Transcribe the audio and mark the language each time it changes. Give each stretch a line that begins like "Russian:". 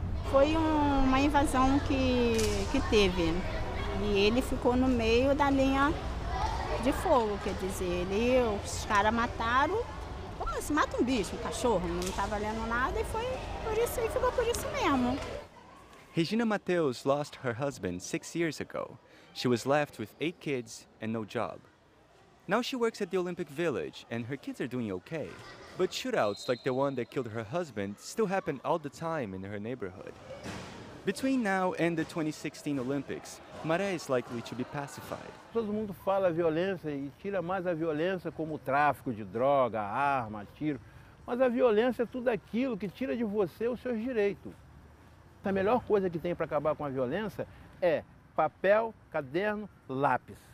Portuguese: Foi uma invasão que teve. E ele ficou no meio da linha de fogo, quer dizer. Os caras mataram. Como se mata um bicho, um cachorro? Não tá valendo nada. E foi por isso, e ficou por isso mesmo.
English: Regina Mateus lost her husband 6 years ago. She was left with 8 kids and no job. Now she works at the Olympic Village, and her kids are doing okay. But shootouts like the one that killed her husband still happen all the time in her neighborhood. Between now and the 2016 Olympics, Maré is likely to be pacified.
Portuguese: Todo mundo fala violência e tira mais a violência como tráfico de droga, arma, tiro. Mas a violência é tudo aquilo que tira de você os seus direitos. A melhor coisa que tem para acabar com a violência é papel, caderno, lápis.